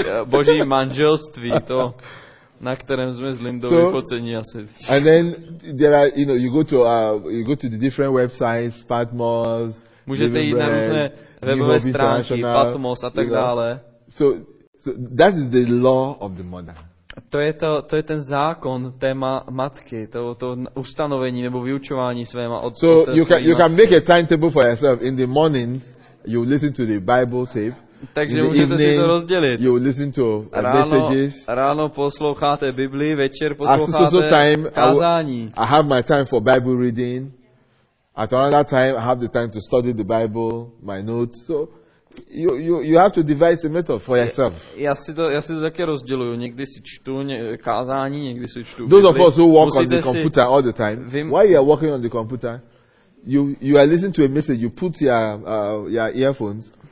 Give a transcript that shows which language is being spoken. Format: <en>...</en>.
<cs>Boží manželství, to na kterém jsme z Lindovy pocení asi.</cs> <en>And then there are, you know, you go to the different websites, Patmos.</en> <cs>Můžete jít na různé webové stránky, Patmos a tak dále.</cs> <en>So that is the law of the mother.</en> <cs>To je ten zákon, téma matky, to ustanovení nebo vyučování své matky.</cs> <en>So you can make a timetable for yourself. In the mornings, you listen to the Bible tape.</en> <cs>Takže můžete si to rozdělit.</cs> <en>You listen to messages.</en> <cs>Ráno posloucháte Bibli, večer posloucháte kázání.</cs> <en>I have my time for Bible reading. At another time, I have the time to study the Bible, my notes. So you have to devise a method for yourself.</en> <cs>Já si to také rozděluju. Někdy si čtu kázání, někdy si čtu.</cs> <en>Those of us who work on the computer all the time. While you are working on the computer, you are listening to a message. You put your earphones.</en>